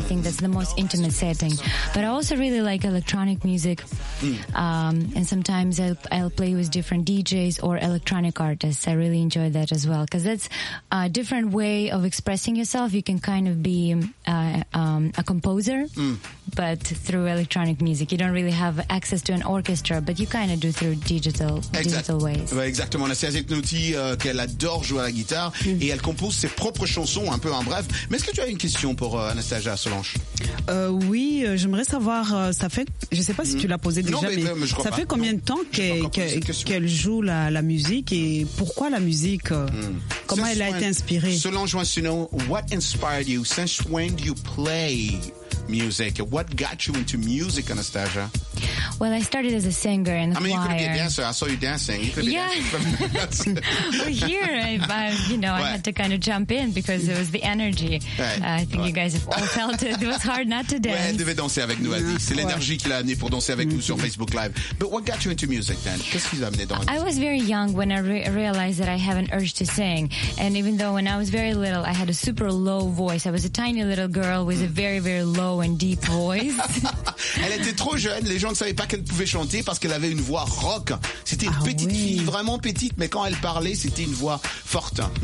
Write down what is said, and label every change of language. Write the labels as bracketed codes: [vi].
[en] I think that's the most intimate setting. But I also really like electronic music and sometimes I'll play with different DJs or electronic artists. I really enjoy that as well because that's a different way of expressing yourself. You can kind of be a composer. But through electronic music, you don't really have access to an orchestra, but you kind of do through digital, digital ways. [fr] Ouais, exactement. Anastasia est une outil qu'elle adore jouer à la guitare et elle compose ses propres chansons, un peu en bref. Mais est-ce que tu as une question pour Anastasia Solange? Oui, j'aimerais savoir, ça fait, je sais pas si tu l'as posé déjà, mais je crois ça pas. Fait combien de temps qu'elle joue la musique et pourquoi la musique? Comment elle a été inspirée? [en] Solange wants to know, what inspired you? Since when do you play music? What got you into music, Anastasia? Well, I started as a singer in the choir. I mean, you could be a dancer. I saw you dancing. You could be a dancer. Well, here, I had to kind of jump in because it was the energy. Hey. I think you guys have all felt it. It was hard not to dance. [fr] Ouais, elle devait danser avec nous, elle dit. C'est l'énergie qu'il a amené pour danser avec nous sur Facebook Live. [en] But what got you into music then? Qu'est-ce qu'il a amené dans la I was very young when I realized that I have an urge to sing. And even though when I was very little, I had a super low voice. I was a tiny little girl with a very, very low and deep voice. [fr] Elle était trop jeune. Les gens ne savaient pas qu'elle pouvait chanter parce qu'elle avait une voix rock. C'était une petite fille, vraiment petite, mais quand elle parlait, c'était une voix forte.